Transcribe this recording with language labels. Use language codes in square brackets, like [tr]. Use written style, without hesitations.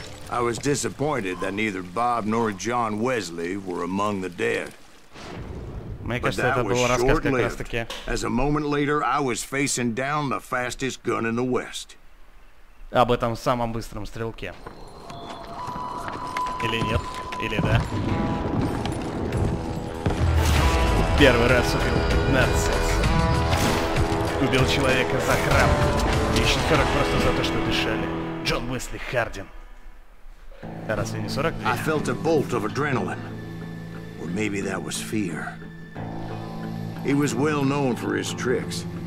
[en] I was disappointed that neither Bob nor John Wesley were among the dead. [ru] Мне кажется, это был рассказ как раз таки. [en] As a moment later, I was facing down the fastest gun in the West. [ru] Об этом самом быстром стрелке. Или нет? Или да? Первый раз убил 15. Убил человека за храм. И еще 40 просто за то, что дышали. Джон Уэсли Хардин. Разве не 40? [en] I felt a bolt of adrenaline. Or maybe that was fear. He was well known for his tricks.